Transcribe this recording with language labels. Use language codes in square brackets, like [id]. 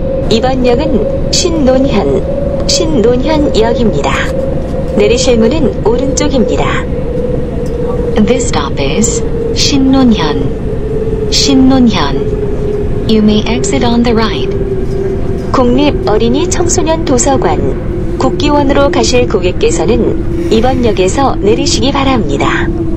[ko] 이번 역은 신논현역입니다. 내리실 문은 오른쪽입니다. [en] This stop is 신논현. [ko] 신논현. [en] You may exit on the right. [ko] 국립 어린이 청소년 도서관 국기원으로 가실 고객께서는 이번 역에서 내리시기 바랍니다.